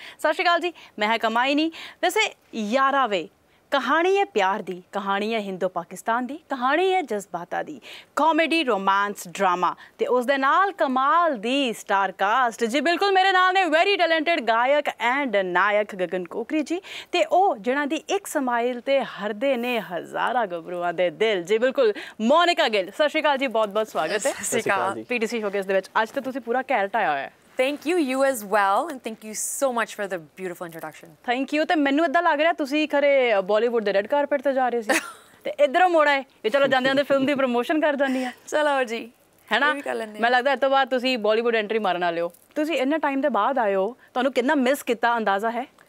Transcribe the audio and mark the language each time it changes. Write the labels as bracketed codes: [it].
[pa] ਸਤਿ ਸ਼੍ਰੀ ਅਕਾਲ ਜੀ, ਮੈਂ ਹੈ ਕਮਾਈ ਨਹੀਂ। ਵੈਸੇ ਯਾਰਾ ਵੇ, ਕਹਾਣੀ ਹੈ ਪਿਆਰ ਦੀ, ਕਹਾਣੀ ਹੈ ਹਿੰਦੂ ਪਾਕਿਸਤਾਨ ਦੀ, ਕਹਾਣੀ ਹੈ ਜਜ਼ਬਾਤਾਂ ਦੀ, ਕਾਮੇਡੀ ਰੋਮਾਂਸ ਡਰਾਮਾ ਤੇ ਉਸਦੇ ਨਾਲ ਕਮਾਲ ਦੀ ਸਟਾਰ ਕਾਸਟ ਜੀ। ਬਿਲਕੁਲ ਮੇਰੇ ਨਾਲ ਨੇ ਵੈਰੀ ਟੈਲੈਂਟਡ ਗਾਇਕ ਐਂਡ ਨਾਇਕ ਗਗਨ ਕੋਕਰੀ ਜੀ, ਤੇ ਉਹ ਜਿਹਨਾਂ ਦੀ ਇੱਕ ਸਮਾਈਲ ਤੇ ਹਰਦੇ ਨੇ ਹਜ਼ਾਰਾਂ ਗੱਭਰੂਆਂ ਦੇ ਦਿਲ ਜੀ। ਬਿਲਕੁਲ ਮੋਨਿਕਾ ਗਿੱਲ, ਸਤਿ ਸ਼੍ਰੀ ਅਕਾਲ ਜੀ, ਬਹੁਤ ਬਹੁਤ ਸਵਾਗਤ ਹੈ। ਸਤਿ ਸ਼੍ਰੀ ਅਕਾਲ ਜੀ, ਪੀਟੀਸੀ ਸ਼ੋਕੇਸ ਦੇ ਵਿੱਚ ਅੱਜ ਤਾਂ ਤੁਸੀਂ ਪੂਰਾ ਕੈਰਟ ਆਇਆ ਹੋਇਆ। [en] Thank you, you as well, and thank you so much for the beautiful introduction. Thank you. [pa] ਤੇ ਮੈਨੂੰ ਇਦਾਂ ਲੱਗ ਰਿਹਾ ਤੁਸੀਂ ਖਰੇ ਬਾਲੀਵੁੱਡ ਦੇ ਰੈੱਡ ਕਾਰਪੈਟ ਤੇ ਜਾ ਰਹੇ ਸੀ ਤੇ ਇਧਰੋਂ ਮੋੜ ਆਏ ਕਿ ਚਲੋ ਜਾਂਦੇ ਜਾਂਦੇ ਫਿਲਮ ਦੀ ਪ੍ਰਮੋਸ਼ਨ ਕਰ ਜਾਂਦੀ ਆ। ਚਲੋ ਜੀ, ਹੈ ਨਾ, ਮੈਂ ਲੱਗਦਾ ਇਸ ਤੋਂ ਬਾਅਦ ਤੁਸੀਂ ਬਾਲੀਵੁੱਡ ਐਂਟਰੀ ਮਾਰਨ ਵਾਲੇ ਹੋ। ਤੁਸੀਂ ਇੰਨਾ ਟਾਈਮ ਦੇ ਬਾਅਦ ਆਏ ਹੋ, ਤੁਹਾਨੂੰ ਕਿੰਨਾ ਮਿਸ ਕੀਤਾ ਅੰਦਾਜ਼ਾ ਹੈ?